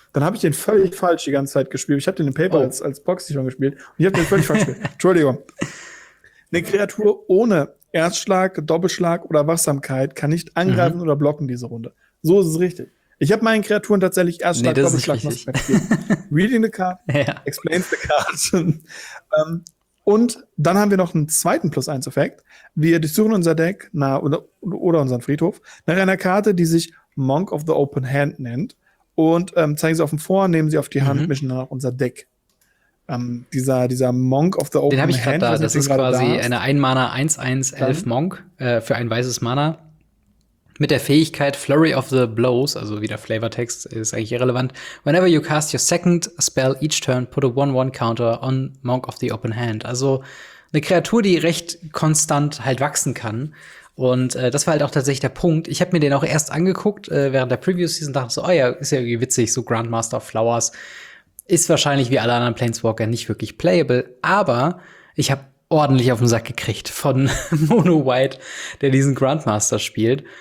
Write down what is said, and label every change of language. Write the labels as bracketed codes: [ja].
[de] Dann habe ich den völlig falsch die ganze Zeit gespielt. Ich habe den in Paper als Boxy schon gespielt und ich habe den völlig falsch gespielt. Entschuldigung. Eine Kreatur ohne Erstschlag, Doppelschlag oder Wachsamkeit kann nicht angreifen oder blocken diese Runde. So ist es richtig. Ich habe meinen Kreaturen tatsächlich Erstschlag, Doppelschlag noch spektiert. [en] Reading the card, explain the card. [de] Und dann haben wir noch einen zweiten Plus-1-Effekt. Wir durchsuchen unser Deck oder unseren Friedhof nach einer Karte, die sich Monk of the Open Hand nennt. Und zeigen sie auf dem Vor, nehmen sie auf die Hand, mischen dann auch unser Deck. Dieser Monk of the Open Hand. Den habe ich gerade da. Das ist quasi eine Ein-Mana 1-1-11 Monk für ein weißes Mana. Mit der Fähigkeit Flurry of the Blows, also wieder Flavortext, ist eigentlich irrelevant. [en] Whenever you cast your second spell each turn, put a 1-1 counter on Monk of the Open Hand. [de] Also eine Kreatur, die recht konstant halt wachsen kann. Und das war halt auch tatsächlich der Punkt. Ich habe mir den auch erst angeguckt während der Preview-Season, dachte so, oh ja, ist ja irgendwie witzig, so Grandmaster of Flowers. Ist wahrscheinlich wie alle anderen Planeswalker nicht wirklich playable. Aber ich habe ordentlich auf den Sack gekriegt von Mono White, der diesen Grandmaster spielt.